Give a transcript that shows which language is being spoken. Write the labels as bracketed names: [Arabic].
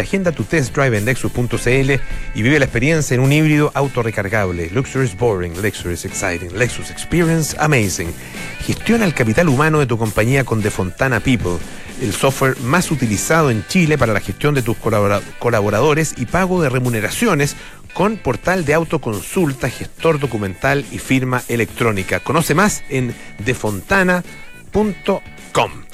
[Spanish] Agenda tu test drive en Lexus.cl y vive la experiencia en un híbrido autorrecargable. [English] Luxury is boring, Lexus is exciting, Lexus experience amazing. [Spanish] Gestiona el capital humano de tu compañía con De Fontana People, el software más utilizado en Chile para la gestión de tus colaboradores y pago de remuneraciones, con portal de autoconsulta, gestor documental y firma electrónica. Conoce más en defontana.com.